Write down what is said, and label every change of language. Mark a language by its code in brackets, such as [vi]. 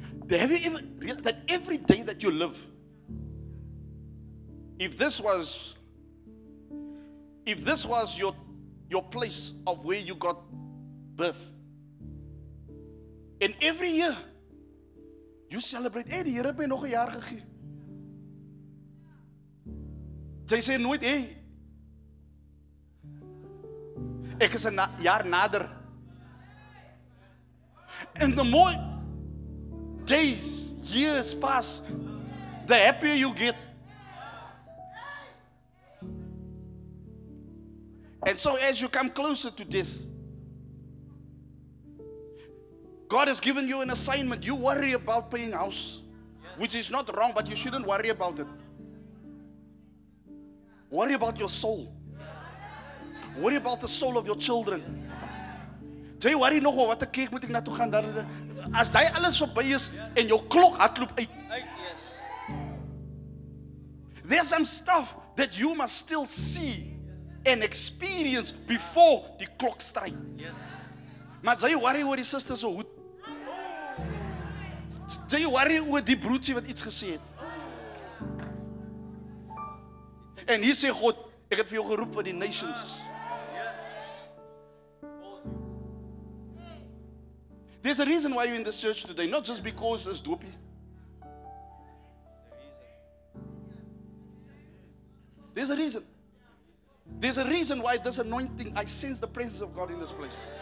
[en] Have you ever realized that every day that you live, if this was your place of where you got birth, and every year you celebrate, hey, die Here het my nog 'n jaar gegee. [af] Jy sê nooit, hey, ek is 'n jaar nader. [en] And the more days, years pass, the happier you get. And so as you come closer to death, God has given you an assignment. You worry about paying house, which is not wrong, but you shouldn't worry about it. Worry about your soul. Worry about the soul of your children. [af] Jy worry nog oor watter kerk moet ek na toe gaan. As jy alles verby is en jou klok hardloop uit. [en] There's some stuff that you must still see and experience before the clock strike. [af] Maar jy worry oor die sister se hoed. Jy worry oor die broertjie wat iets gesê het. En hier sê God, ek het vir jou geroep vir die nations. [en] There's a reason why you're in this church today, not just because it's dopey. There's a reason. There's a reason why this anointing, I sense the presence of God in this place.